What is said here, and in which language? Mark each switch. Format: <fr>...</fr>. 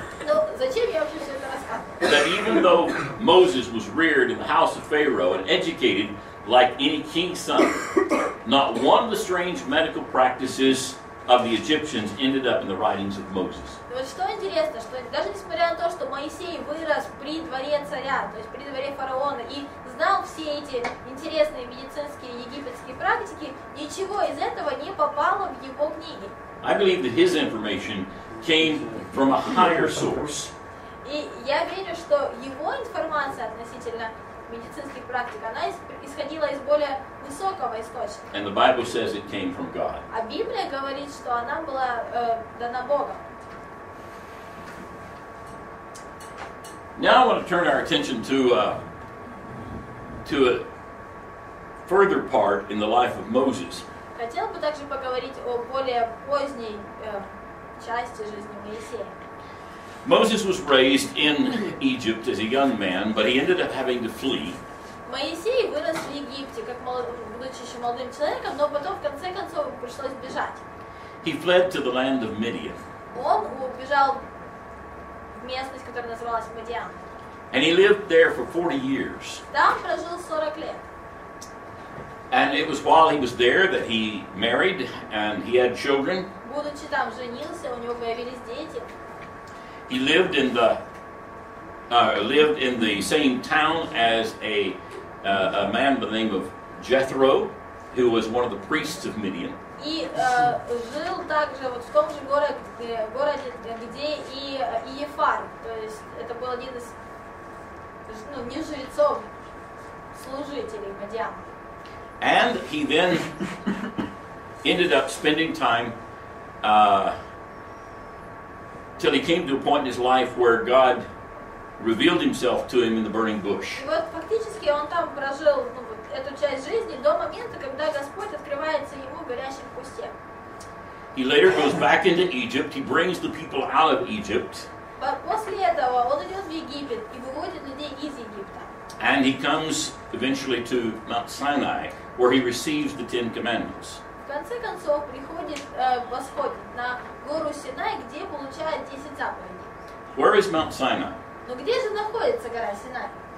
<ru>Но зачем я вообще все это рассказываю?</ru> <en>That even though Moses was reared in the house of Pharaoh and educated like any king's son, not one of the strange medical practices of the Egyptians ended up in the writings of Moses.</en> <ru>Вот что интересно, что даже несмотря на то, что Моисей вырос при дворе царя, то есть при дворе фараона, и знал все эти интересные медицинские египетские практики, ничего из этого не попало в его книги.</ru> <en>I believe that his information came from a higher source.</en> <ru>И я верю, что его информация относительно медицинских практик, она исходила из более высокого источника.</ru> <en>And the Bible says it came from God.</en> <ru>А Библия говорит, что она была дана Богом.</ru> <en>Now I want to turn our attention to a further part in the life of Moses.</en> <ru>Хотел бы также поговорить о более поздней части жизни Моисея.</ru> <en>Moses was raised in Egypt as a young man, but he ended up having to flee.</en> <ru>Моисей вырос в Египте, как будучи еще молодым человеком, но потом в конце концов пришлось бежать.</ru> <en>He fled to the land of Midian.</en> <ru>Он убежал в местность, которая называлась Мидиан.</ru> <en>And he lived there for 40 years.</en> <ru>Там прожил 40 лет.</ru> <en>And it was while he was there that he married and he had children.</en> <ru>Будучи там, женился, у него появились дети.</ru> <en>He lived in the same town as a man by the name of Jethro, who was one of the priests of Midian.</en> <ru>И жил также вот в том же городе, где и Иефар, то есть это был один из не жрецов, служителей Мидиан.</ru> <en>And he then ended up spending time till he came to a point in his life where God revealed himself to him in the burning bush.</en> <ru>И вот фактически он там прожил эту часть жизни до момента, когда Господь открывается ему в горящем кусте.</ru> <en>He later goes back into Egypt, he brings the people out of Egypt.</en> <ru>После этого он идет в Египет и выводит людей из Египта.</ru> <en>And he comes eventually to Mount Sinai, where he receives the Ten Commandments.</en> <ru>В конце концов приходит Господь на гору Синай, где получает 10 заповедей.</ru> <en>Where is Mount Sinai?</en> <ru>Но где же находится гора Синай?</ru>